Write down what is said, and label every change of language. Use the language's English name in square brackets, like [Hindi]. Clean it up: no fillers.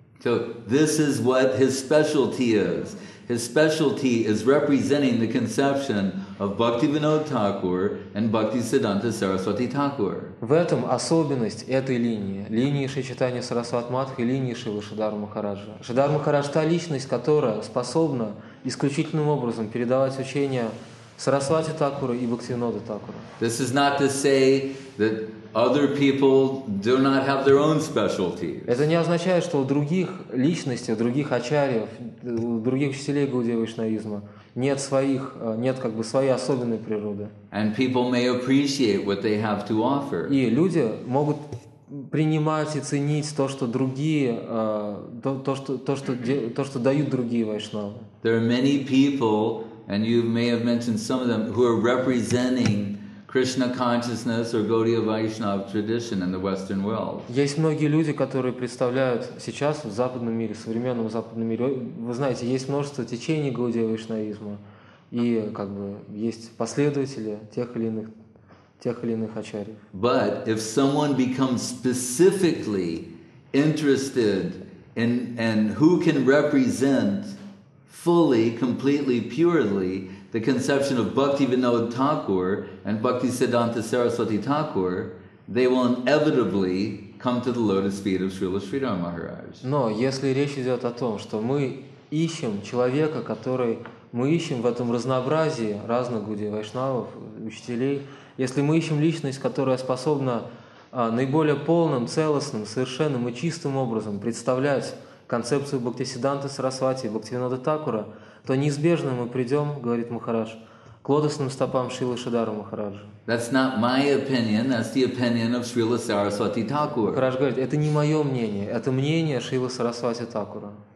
[English] So this is what his specialty is. His specialty is representing the conception of Bhaktivinoda Thakur and Bhaktisiddhanta Saraswati Thakur. [Russian] В этом особенность этой линии, линии Шри Чайтаньи Сарасвати Матхи, линии Шри Шридхара Махараджа. Шридхар Махарадж — та личность, которая способна исключительным образом передавать учение Сарасвати Такура и Бхактивинода Такура. [English] This is not to say that other people do not have their own specialties. [Russian] Это не означает, что у других личностей, у других ачарьев, у других учителей Гауди Вайшнавизма нет своих, нет как бы своей особенной природы. [English] And people may appreciate what they have to offer. [Russian] И люди могут принимать и ценить то, что другие, то, что дают другие вайшнавы. [English] There are many people, and you may have mentioned some of them, who are representing Krishna consciousness or Gaudiya Vaishnav tradition in the Western world. [Russian] Есть многие люди, которые представляют сейчас в западном мире, в современном западном мире. Вы знаете, есть множество течений Гаудия Вайшнавизма, и как бы есть последователи тех или иных ачарьев. [English] But if someone becomes specifically interested in and who can represent fully, completely, purely the conception of Bhaktivinoda Thakur and Bhaktisiddhanta Saraswati Thakur, they will inevitably come to the lotus feet of Srila Sridhara Maharaj. [Russian] Но если речь идет о том, что мы ищем человека, который мы ищем в этом разнообразии разных гуди вайшнавов, учителей, если мы ищем личность, которая способна наиболее полным, целостным, совершенным и чистым образом представлять концепцию Бхактисиддханты Сарасвати и Бхактивинода Такура, то неизбежно мы придем, говорит Махарадж, к лотосным стопам Шрилы Шридхара Махараджа. [English] That's not my opinion, that's the opinion of Srila Saraswati Thakur. [Russian] Махарадж говорит, это не мое мнение, это мнение Шрилы Сарасвати Такура.